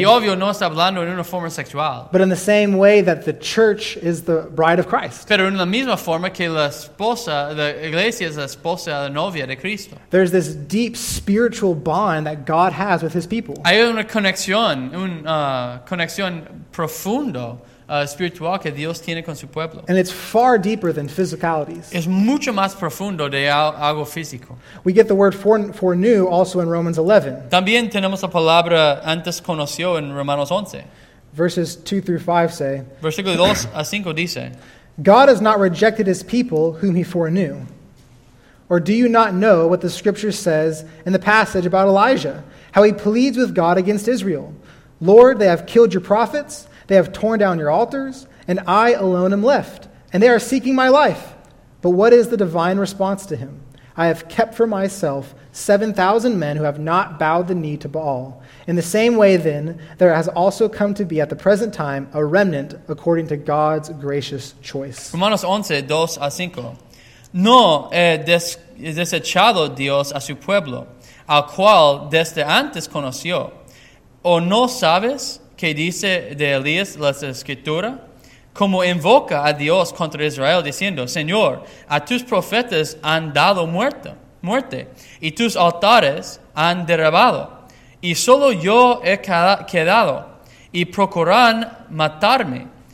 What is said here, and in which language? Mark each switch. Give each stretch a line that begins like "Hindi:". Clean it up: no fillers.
Spanish: Y obvio no está hablando en una forma sexual.
English: But in the same way that the church is the bride of Christ.
Spanish: Pero en la misma forma que la esposa, la iglesia es la esposa, la novia de Cristo.
English: There's this deep spiritual bond that God has with his people.
Spanish: Hay una conexión, conexión profundo espiritual que Dios tiene con su pueblo.
English: And it's far deeper than physicalities.
Spanish: Es mucho más profundo de algo físico.
English: We get the word for new also in Romans 11.
Spanish: También tenemos la palabra antes conoció en Romanos 11.
English: Verses 2 through 5 say,
Spanish: versículo 2 a 5 dice,
English: God has not rejected his people whom he foreknew. Or do you not know what the scripture says in the passage about Elijah, how he pleads with God against Israel? Lord, they have killed your prophets, they have torn down your altars, and I alone am left, and they are seeking my life. But what is the divine response to him? I have kept for myself 7,000 men who have not bowed the knee to Baal. In the same way, then, there has also come to be at the present time a remnant according to God's gracious choice.
Spanish: Romanos 11, 2 a 5. No he desechado Dios a su pueblo, al cual desde antes conoció. ¿O no sabes qué dice de Elías la Escritura? Como invoca a Dios contra Israel, diciendo, Señor, a tus profetas han dado muerte, y tus altares han derribado, y solo yo he quedado, y procuran matarme.